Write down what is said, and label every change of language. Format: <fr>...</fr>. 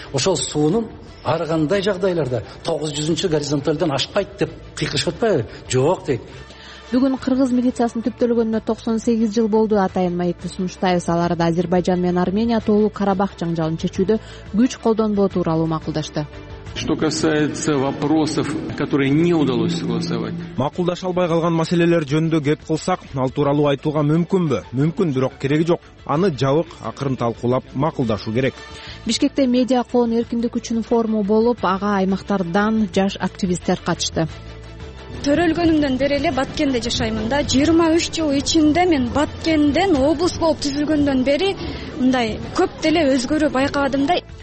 <ky>Ошол суунун ар кандай жагдайларда 900-чү горизонталдан ашпайт деп кыйкырышып атпайбы? Жок дейт. Бүгүн кыргыз милициясынын түптөлгөнүнө 98 жыл болду. Атайын маекти сунуштайбыз. Аларда Азербайжан менен Армения Тоолук Карабах жаңжалын чечүүдө күч колдонбоо тууралуу макулдашты.</ky> <ru>Что касается вопросов, которые не удалось согласовать.</ru> <ky>Макулдаша албай калган маселелер жөнүндө кеп кылсак, ал тууралуу айтууга мүмкүнбү? Мүмкүн, бирок кереги жок. Аны жабык, акырын талкуулап макулдашуу керек. Бишкекте медиа коон эркиндик үчүн форуму болуп, ага аймактардан жаш активисттер катышты. Төрөлгөнүмдөн бери эле Баткенде жашаймын да. 23 жыл ичинде мен Баткенден облус болуп түзүлгөндөн бери мындай көп деле өзгөрүү байкадым да.</ky>